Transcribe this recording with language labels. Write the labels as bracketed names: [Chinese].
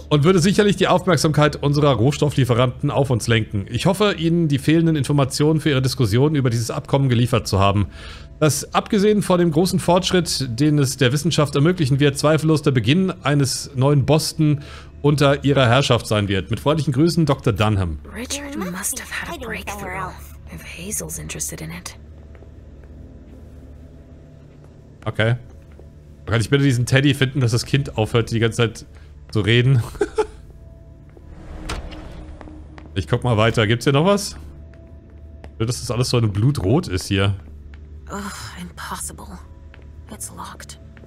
[German] Und würde sicherlich die Aufmerksamkeit unserer Rohstofflieferanten auf uns lenken. Ich hoffe, Ihnen die fehlenden Informationen für Ihre Diskussion über dieses Abkommen geliefert zu haben. Das, abgesehen von dem großen Fortschritt, den es der Wissenschaft ermöglichen wird, zweifellos der Beginn eines neuen Boston unter ihrer Herrschaft sein wird. Mit freundlichen Grüßen, Dr. Dunham. [English] Richard must have had a breakthrough. If Hazel's interested in it. Okay. [German] Kann ich bitte diesen Teddy finden, dass das Kind aufhört, die ganze Zeit zu reden? Ich guck mal weiter. Gibt's hier noch was? Ich will, dass das alles so ein Blutrot ist hier. [English] Ugh, impossible. It's locked.